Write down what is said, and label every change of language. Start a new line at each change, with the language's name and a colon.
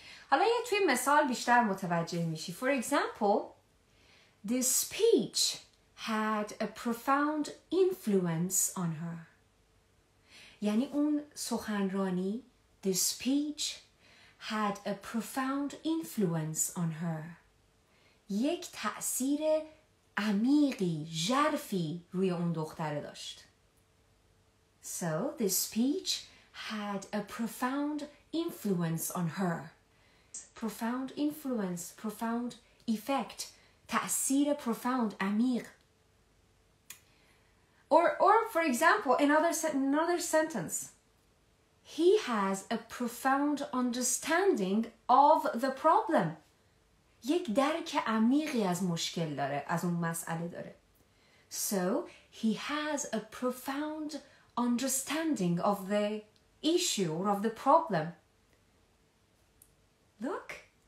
Persian: حالا یه توی مثال بیشتر متوجه میشی.
English: For example, this speech had a profound influence on her.
Persian: یعنی اون سخنرانی,
English: this speech had a profound influence on her.
Persian: یک تأثیر عمیقی, ژرفی روی اون دختره داشت.
English: So, this speech had a profound influence on her. Profound influence, profound effect, تأثیر profound, عمیق. Or for example, another sentence. He has a profound understanding of the problem.
Persian: یک درک عمیقی از مشکل داره، از اون مسئله داره.
English: So, he has a profound understanding of the issue or of the problem. Look,